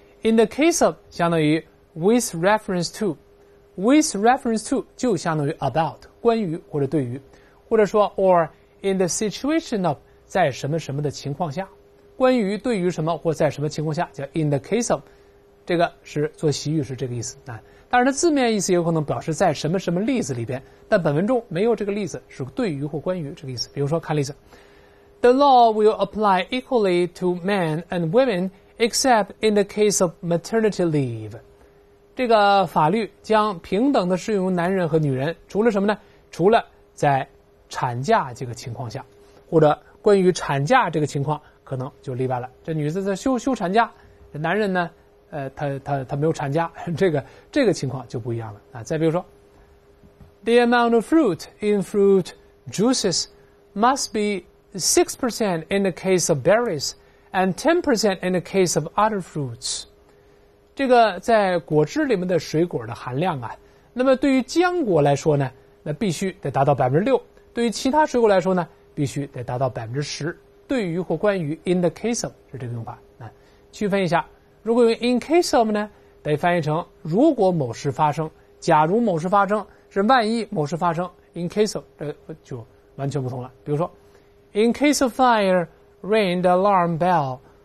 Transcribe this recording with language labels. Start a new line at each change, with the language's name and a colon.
Chinese: In the case of 相当于 with reference to 就相当于 about 关于或者对于，或者说
English: or in the situation of
Chinese: 在什么什么的情况下，关于对于什么或在什么情况下叫 in the case of， 这个是做习语是这个意思啊。当然它字面意思有可能表示在什么什么例子里边，但本文中没有这个例子是对于或关于这个意思。比如说看例子。
English: The law will apply equally to men and women except in the case of maternity leave.
Chinese: 这个法律将平等的适用男人和女人，除了什么呢？除了在产假这个情况下，或者关于产假这个情况可能就例外了。这女子在休产假，男人呢他没有产假，这个情况就不一样了啊。再比如说
English: The amount of fruit in fruit juices must be6% in the case of berries and 10% in the case of other fruits.
Chinese: 这个在果汁里面的水果的含量啊，那么对于浆果来说呢，那必须得达到 6%， 对于其他水果来说呢，必须得达到 10%。对于或关于 in the case of 是这个用法啊。区分一下，如果用 in case of 呢，得翻译成如果某事发生，假如某事发生，是万一某事发生 in case of， 这就完全不同了。比如说
English: In case of fire, ring the alarm bell.